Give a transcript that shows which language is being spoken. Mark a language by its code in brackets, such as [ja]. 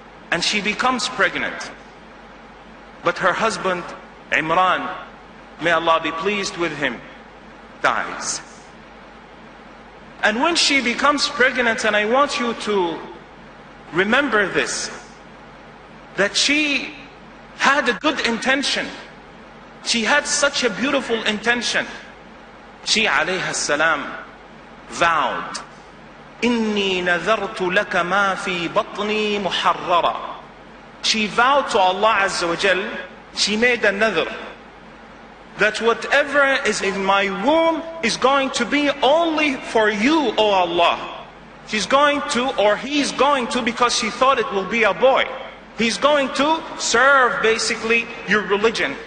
[en] And she becomes pregnant. But her husband, Imran, may Allah be pleased with him, dies. And when she becomes pregnant, and I want you to remember this, that she had a good intention. She had such a beautiful intention. She, alayha salam, vowed, [ar] إِنِّي نَذَرْتُ لَكَ مَا فِي بَطْنِي مُحَرَّرًا. [en] She vowed to Allah Azza wa Jal, she made a nadr, that whatever is in my womb is going to be only for you, O Allah. She's going to, or he's going to, because she thought it will be a boy, he's going to serve basically your religion.